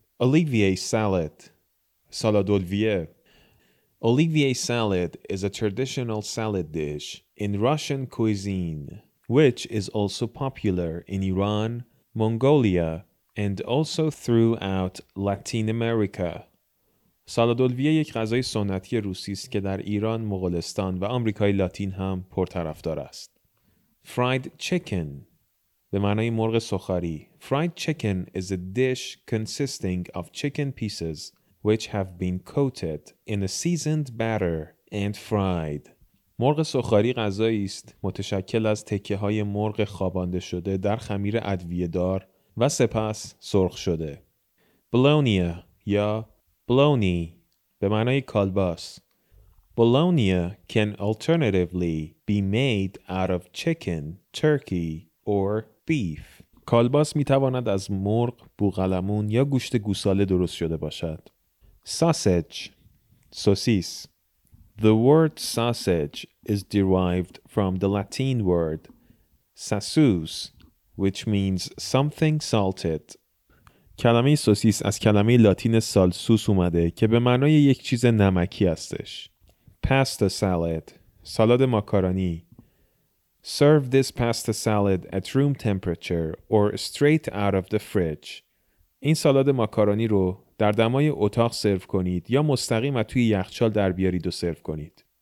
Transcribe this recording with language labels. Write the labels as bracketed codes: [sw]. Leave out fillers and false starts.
[en] Olivier salad، [fa] سالاد اولویه. [en] Olivier salad is a traditional salad dish in Russian cuisine, which is also popular in Iran, Mongolia, and also throughout Latin America. [fa] سالاد اولویه یک غذای سنتی روسی است که در ایران، مغولستان و آمریکای لاتین هم پرطرفدار است. [en] Fried chicken [fa] به معنای مرغ سوخاری. [en] Fried chicken is a dish consisting of chicken pieces which have been coated in a seasoned batter and fried. [fa] مرغ سوخاری غذایی است متشکل از تکه های مرغ خوابانده شده در خمیر ادویه دار و سپس سرخ شده. بولونیا یا بولونی به معنای کالباس. [en] بولونیا can alternatively be made out of chicken, turkey or beef. [fa] کالباس می تواند از مرغ، بوقلمون یا گوشت گوساله درست شده باشد. [en] Sausage. Sosis. The word sausage is derived from the Latin word sausus, which means something salted. [fa] کلمه سوسیس از کلمه لاتین سالسوس اومده که به معنای یک چیز نمکی هستش. [en] Pasta salad. [fa] سالاد ماکارونی. [en] Serve this pasta salad at room temperature or straight out of the fridge. [fa] این سالاد ماکارونی رو در دمای اتاق سرو کنید یا مستقیم از توی یخچال در بیارید و سرو کنید.